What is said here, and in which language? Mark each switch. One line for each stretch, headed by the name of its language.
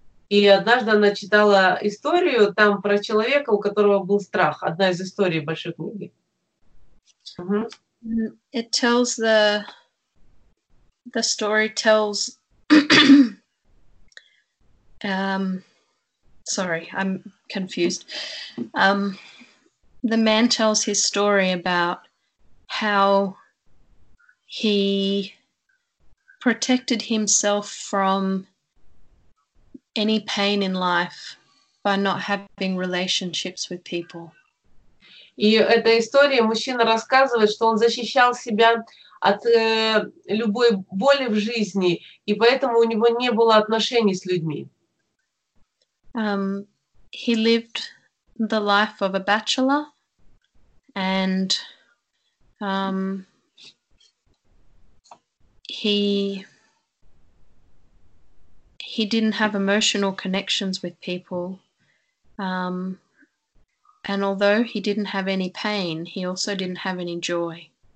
Russian: И однажды она читала историю там про человека, у которого был страх. Одна из историй большой книги.
English: It tells the story tells Sorry, I'm confused. The man tells his story about how he protected himself from any pain in life by not having relationships with people.
Russian: И эта история, мужчина рассказывает, что он защищал себя от любой боли в жизни, и поэтому у него не было отношений с людьми.
English: He lived the life of a bachelor, and he didn't have emotional connections with people, and although he didn't have any pain, he also didn't have any joy.